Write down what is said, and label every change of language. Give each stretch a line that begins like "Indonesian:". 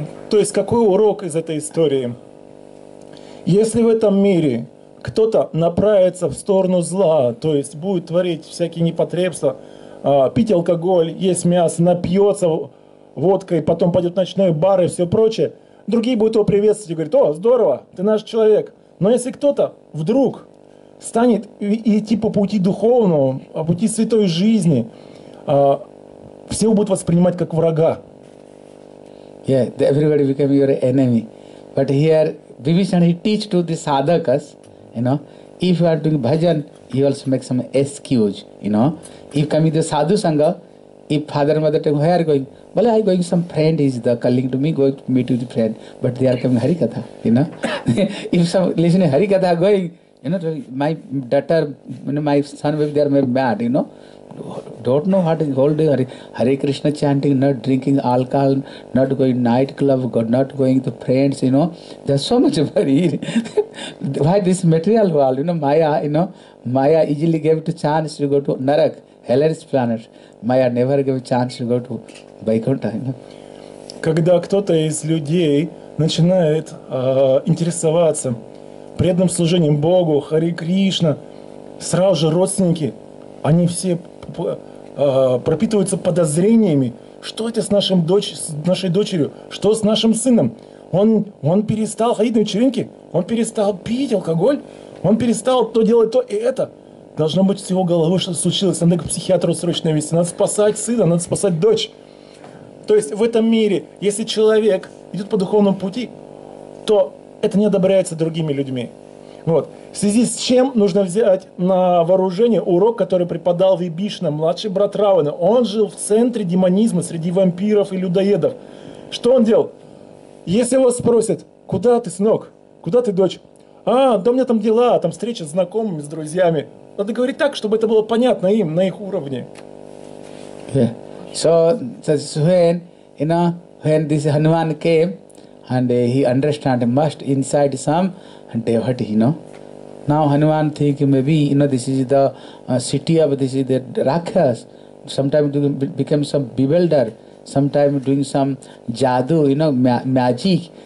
Russian: То есть какой урок из этой истории? Если в этом мире кто-то направится в сторону зла, то есть будет творить всякие непотребства, пить алкоголь, есть мясо, напьется водкой, потом пойдет в ночной бар и все прочее, другие будут его приветствовать и говорить: «О, здорово, ты наш человек». Но если кто-то вдруг станет идти по пути духовному, по пути святой жизни, все будут воспринимать как врага.
English: Yeah, everybody become your enemy. But here, Vibhishan, he teach to the sadhakas, you know, if you are doing bhajan, he also makes some excuse, you know. If coming to sadhu sangha, if father and mother tell you, why are you going? Well, I'm going, some friend is the calling to me, going to meet with the friend. But they are coming harikatha, you know. If some listening harikatha going, you know, my daughter, you know, my son, maybe they are mad, you know. Don't know what is whole day Hare Krishna chanting, not drinking alcohol, not going night club, not going to friends, you know. There's so much worry. Why this material world, you know, Maya, you know, Maya easily gave to chance to go to Narak, hellish planet. Maya never gave chance to go to Vaikuntha, you know.
Russian: Когда кто-то из людей начинает интересоваться преданным служением Богу, Hare Krishna, сразу же родственники, они все пропитываются подозрениями, что это с нашим с нашей дочерью, что с нашим сыном. Он перестал ходить на вечеринки, он перестал пить алкоголь, он перестал то делать, то и это. Должно быть, с его головы что-то случилось, надо к психиатру срочно вести, надо спасать сына, надо спасать дочь. То есть в этом мире, если человек идет по духовному пути, то это не одобряется другими людьми. Вот. В связи с чем нужно взять на вооружение урок, который преподал Вибишна, младший брат Равана. Он жил в центре демонизма среди вампиров и людоедов. Что он делал? Если его спросят: куда ты, сынок? Куда ты, дочь? А, да у меня там дела, там встреча с знакомыми, с друзьями. Надо говорить так, чтобы это было понятно им, на их уровне. Yeah.
English: So, when, you know, when this Hanuman came, and he understand must inside some devotee, you know. Now Hanuman think maybe, you know, this is the city of, this is the Rakshas. Sometimes they become some bewildered. Sometimes doing some jadu, you know, magic.